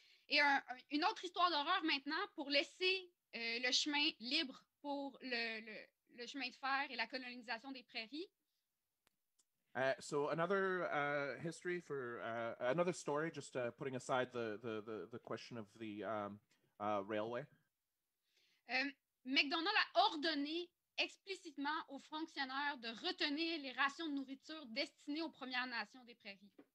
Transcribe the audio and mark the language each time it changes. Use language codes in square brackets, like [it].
[fr] Et une autre histoire d'horreur maintenant pour laisser le chemin libre pour le chemin de fer et la colonisation des prairies. [en] So another history for another story, just putting aside the question of the railway. [fr] McDonald a ordonné explicitement aux fonctionnaires de retenir les rations de nourriture destinées aux Premières Nations des prairies.